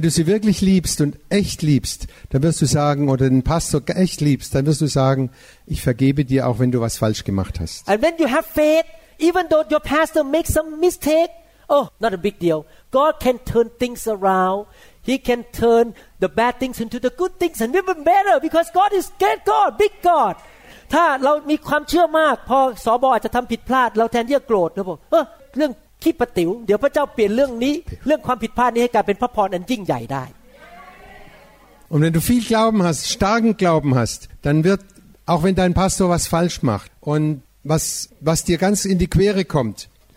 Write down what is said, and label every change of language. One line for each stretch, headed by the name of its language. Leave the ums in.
German: du sie wirklich liebst und echt liebst, dann wirst du sagen, oder den Pastor echt liebst, dann wirst du sagen, ich vergebe dir, auch wenn du was falsch gemacht hast.
English: And when you have faith, even though your pastor makes some mistake, oh not a big deal god can turn things around he can turn the bad things into the good things and even better because god is great god big god
Thai: ถ้าเรามีความเชื่อมากพอสอบอาจจะทําผิดพลาด เราแทนที่จะโกรธเราบอกเออเรื่องขี้ปติว๋ว เดี๋ยวพระเจ้าเปลี่ยนเรื่องนี้เรื่องความผิดพลาดนี้ให้กลายเป็นพระพรอันยิ่งใหญ่ได้
German: Und wenn du viel Glauben hast, starken Glauben hast, dann wird auch wenn dein Pastor was falsch macht und was was dir ganz in die Quere kommt,